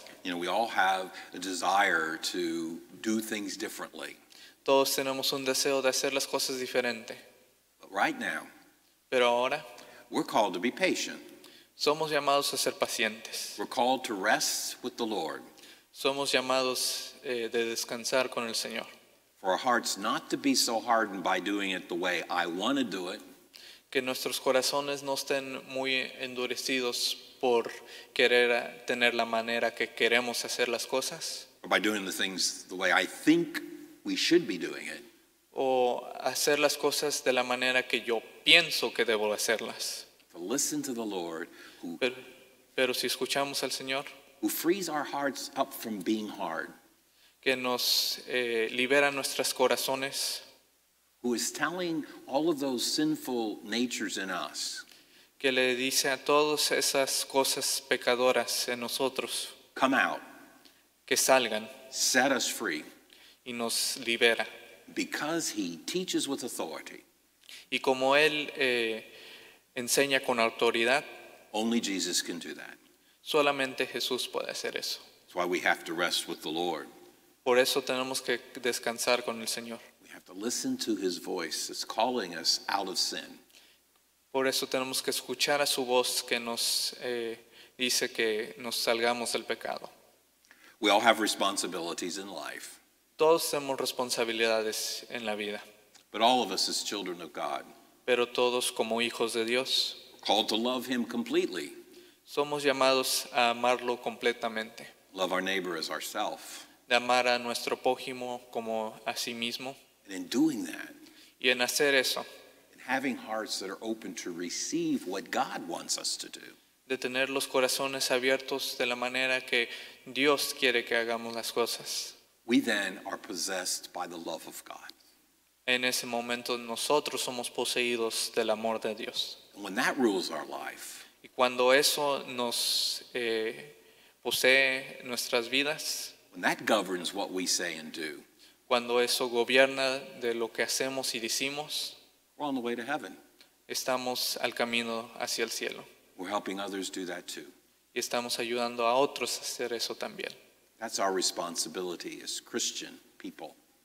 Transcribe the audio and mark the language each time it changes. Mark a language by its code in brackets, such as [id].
[en] You know, we all have a desire to do things differently. [es] Todos tenemos un deseo de hacer las cosas diferente. [en] But right now, [es] pero ahora, [en] we're called to be patient. [es] Somos llamados a ser pacientes. [en] We're called to rest with the Lord. [es] Somos llamados de descansar con el Señor. [en] For our hearts not to be so hardened by doing it the way I want to do it. [es] Que nuestros corazones no estén muy endurecidos por querer tener la manera que queremos hacer las cosas. [en] Or by doing the things the way I think we should be doing it. [es] O hacer las cosas de la manera que yo pienso que debo hacerlas. [en] To listen to the Lord, who, [es] pero si escuchamos al Señor, [en] who frees our hearts up from being hard, [es] que nos libera nuestros corazones, [en] who is telling all of those sinful natures in us, [es] que le dice a todas esas cosas pecadoras en nosotros, [en] come out, [es] que salgan, [en] set us free, [es] y nos libera. [en] Because he teaches with authority. [es] Y como él enseña con autoridad. [en] Only Jesus can do that. [es] Solamente Jesús puede hacer eso. [en] That's why we have to rest with the Lord. [es] Por eso tenemos que descansar con el Señor. [en] We have to listen to his voice that's calling us out of sin. [es] Por eso tenemos que escuchar a su voz que nos dice que nos salgamos del pecado. [en] We all have responsibilities in life. [es] Todos tenemos responsabilidades en la vida. [en] But all of us as children of God. [es] Pero todos como hijos de Dios. [en] Called to love him completely. [es] Somos llamados a amarlo completamente. [en] Love our neighbor as ourself. [es] De amar a nuestro prójimo como a sí mismo. [en] And in doing that, [es] y en hacer eso, [en] and having hearts that are open to receive what God wants us to do, [es] de tener los corazones abiertos de la manera que Dios quiere que hagamos las cosas, [en] we then are possessed by the love of God. [es] En ese momento nosotros somos poseídos del amor de Dios. [en] And when that rules our life, [es] y cuando eso nos posee nuestras vidas, [en] when that governs what we say and do, [es] cuando eso gobierna de lo que hacemos y decimos, [en] we're on the way to heaven. [es] Estamos al camino hacia el cielo. [en] We're helping others do that too. [es] Y estamos ayudando a otros a hacer eso también. [en] That's our responsibility as Christian people.